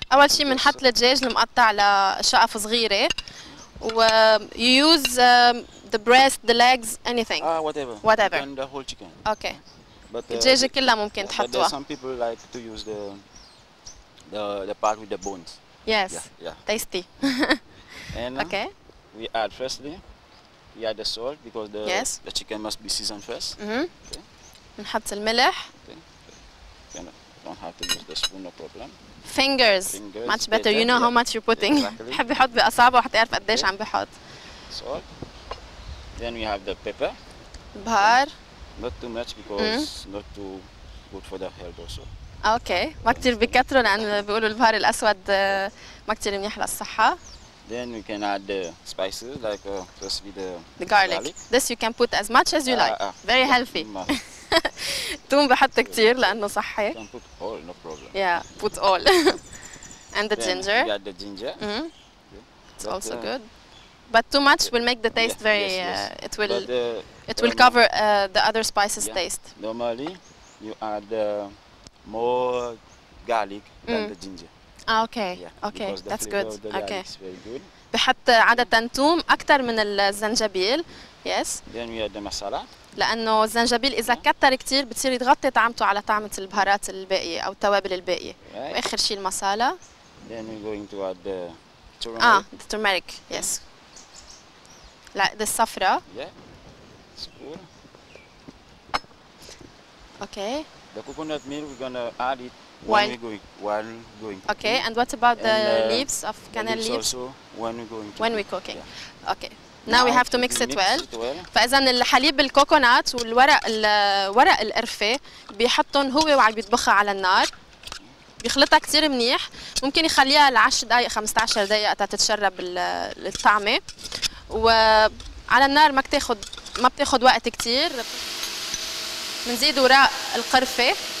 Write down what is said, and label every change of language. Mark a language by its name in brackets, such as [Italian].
[Arabic] أول شيء بنحط الدجاج المقطع لشقف صغيرة. [English] You use the breast, the legs, anything. Whatever. And the whole chicken. Okay. But [Arabic] الدجاجة كلها ممكن تحطوها. [English] But there's some people like to use the part with the bones. Yes. Yeah. Yeah. Tasty. And okay. We add firstly, we add the salt because the chicken must be seasoned first. [Arabic] Okay. نحط الملح. [English] Okay. don't have to use the spoon, no problem. Fingers. Much better. You know how much you're putting. [Arabic] بحب يحط بأصابعه حتى يعرف قديش عم بحط. [English] Salt. Then we have the pepper. [Arabic] بهار. [English] Not too much because not too good for the health also. Okay. [Arabic] ما كتير بكتره لأن بيقولوا البهار الأسود ما كتير منيح للصحة. [English] Then we can add the spices like first with the garlic. This you can put as much as you like. Very healthy. [Arabic] توم بحط كتير لأنه صحي. [English] Can put all, no problem. Yeah, put all. And the ginger. We add the ginger. Mm-hmm. Yeah. It's also good. But too much will make the taste very. It will. It will cover the other spices taste. Normally, you add more garlic than the ginger. Ah, okay. Yeah, okay, that's good. Okay. [Arabic] بحط عادة توم أكثر من الزنجبيل. [English] Yes. Then we add the masala. [Arabic] لأنه الزنجبيل إذا كتر كتير بتصير يغطي طعمته على طعمة البهارات الباقية أو التوابل الباقية. [English] Right. [Arabic] وآخر شيء المصالة. [English] Then we're going to add the turmeric. The turmeric. Yes. [Arabic] لا ده الصفرة. [English] Yeah. Spoon. Okay. The coconut milk we're gonna add it when we're going. Okay. And what about the leaves of canela leaves? Also when we're going. When we're cooking. Yeah. Okay. Now we have to mix it well. [Arabic] فإذا الحليب بالكوكونات والورق الورق القرفة بيحطهم هو وعم بيطبخها على النار بيخلطها كثير منيح ممكن يخليها ل 10 دقائق 15 دقيقة تتشرب الطعمة وعلى النار ما بتاخذ وقت كثير بنزيد ورق القرفة